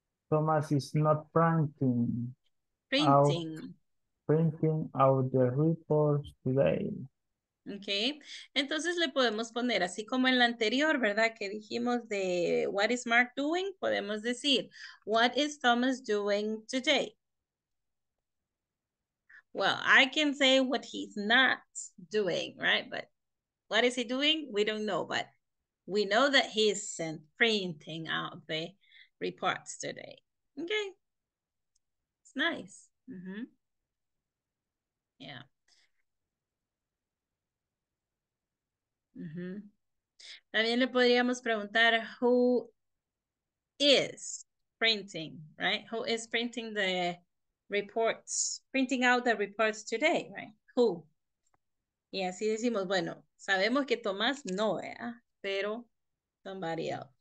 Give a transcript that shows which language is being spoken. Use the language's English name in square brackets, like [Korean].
[English] Thomas is not printing out the reports today. [Spanish] Okay, entonces le podemos poner así como en la anterior, ¿verdad? Que dijimos de [English] what is Mark doing, [Spanish] podemos decir [English] what is Thomas doing today. Well, I can say what he's not doing, right? But what is he doing? We don't know, but we know that he isn't printing out the reports today. Okay, it's nice. Yeah. [Spanish] También le podríamos preguntar [English] who is printing, right? Who is printing the reports, printing out the reports today, right? Who? [Spanish] Y así decimos, bueno, sabemos que Tomás no, pero [English] somebody else.